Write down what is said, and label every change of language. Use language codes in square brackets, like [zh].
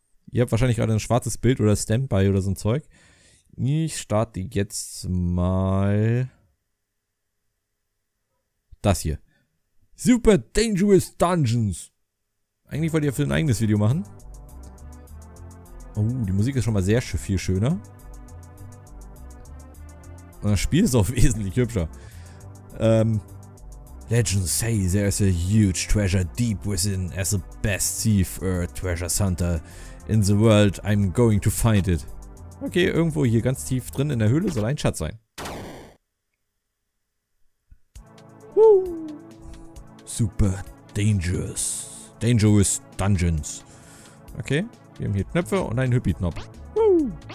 [de] Ihr habt wahrscheinlich gerade ein schwarzes Bild oder Standby oder so ein Zeug. Ich starte jetzt mal das hier. Super Dangerous Dungeons. Eigentlich wollt ihr für ein eigenes Video machen. Oh, die Musik ist schon mal sehr viel schöner. Und das Spiel ist auch wesentlich hübscher. [en] Legends say there's a huge treasure deep within as the best thief or treasure hunter in the world. I'm going to find it. [de] Okay, irgendwo hier ganz tief drin in der Höhle soll ein Schatz sein. [en] Woo. Super dangerous. [de] Dangerous Dungeons. Okay, wir haben hier Knöpfe und einen Hüppi-Knopf. Woo.